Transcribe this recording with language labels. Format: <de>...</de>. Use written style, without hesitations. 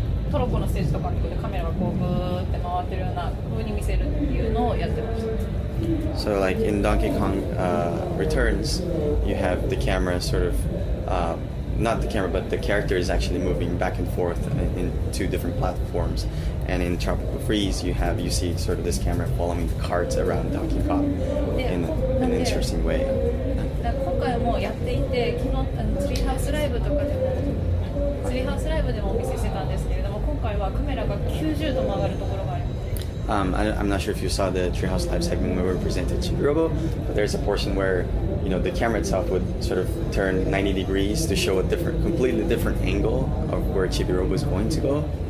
<ja>トロッコのステージとかでカメラがこうぐーって回ってるような風に見せるっていうのをやってました。</ja> <en>So like in Donkey Kong Returns, you have the camera sort of, not the camera, but the character is actually moving back and forth in two different platforms. And in Tropical Freeze, you see sort of this camera following the carts around Donkey Kong in an interesting way.</en> <ja>今回もやっていて、昨日あのツリーハウスライブとかでも、ツリーハウスライブでもお見せしてたんですけれども、今回はカメラが90度曲がるところがあります。</ja> <en>I'm not sure if you saw the Treehouse Live segment where we presented Chibi-Robo, but there's a portion where, you know, the camera itself would sort of turn 90 degrees to show a different, completely different angle of where Chibi-Robo is going to go.</en>